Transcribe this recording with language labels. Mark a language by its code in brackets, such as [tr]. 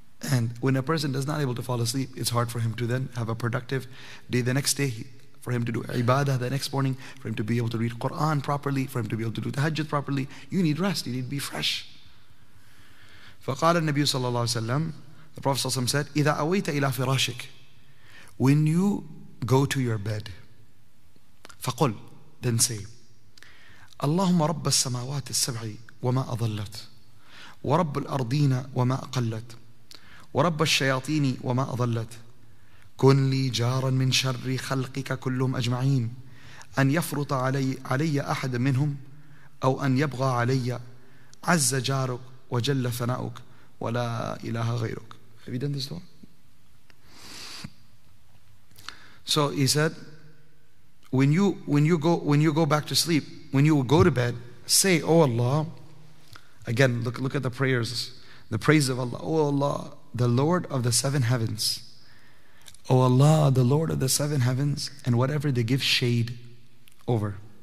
[en] And when a person does not able to fall asleep, it's hard for him to then have a productive day the next day, for him to do ibadah the next morning, for him to be able to read Quran properly, for him to be able to do tahajjud properly. You need rest, you need to be fresh. [ar] فَقَالَ النَّبِيُّ صَلَّى اللَّهُ وَسَلَّمُ [en] The Prophet ﷺ said, [ar] إِذَا أَوَيْتَ إِلَى فِرَاشِكَ [en] When you go to your bed, [ar] فَقُلْ [en] Then say, [ar] اللَّهُمَّ رَبَّ السَّمَاوَاتِ السَّبْعِ وَمَا أَضَلَّتْ وَرَبُّ الْأَرْضِينَ وَمَا أَقَلَّتْ ورب الشياطين وما أضلت كن لي جارا من شر خلقك كلهم أجمعين أن يفرط علي أحد منهم أو أن يبغى علي عز جارك وجل ثناؤك ولا إله غيرك. [en] Have you done this one? So he said, when you go back to sleep, when you go to bed, say, Oh Allah, again, look at the prayers, the praise of Allah. Oh Allah, the Lord of the seven heavens. Oh Allah, the Lord of the seven heavens and whatever they give shade over.